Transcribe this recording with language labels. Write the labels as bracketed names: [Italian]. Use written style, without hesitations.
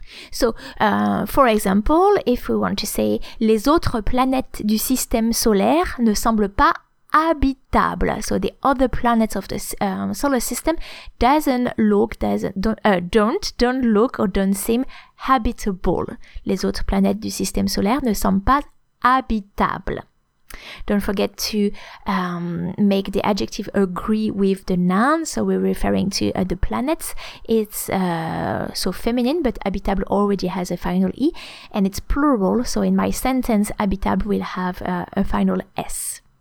[English] So, for example, if we want to say [French] les autres planètes du système solaire ne semblent pas habitable. [English] So the other planets of the solar system don't seem habitable. [French] Les autres planètes du système solaire ne sont pas habitables. [English] Don't forget to make the adjective agree with the noun. So we're referring to the planets. It's so feminine, but habitable already has a final E. And it's plural, so in my sentence, habitable will have a final S.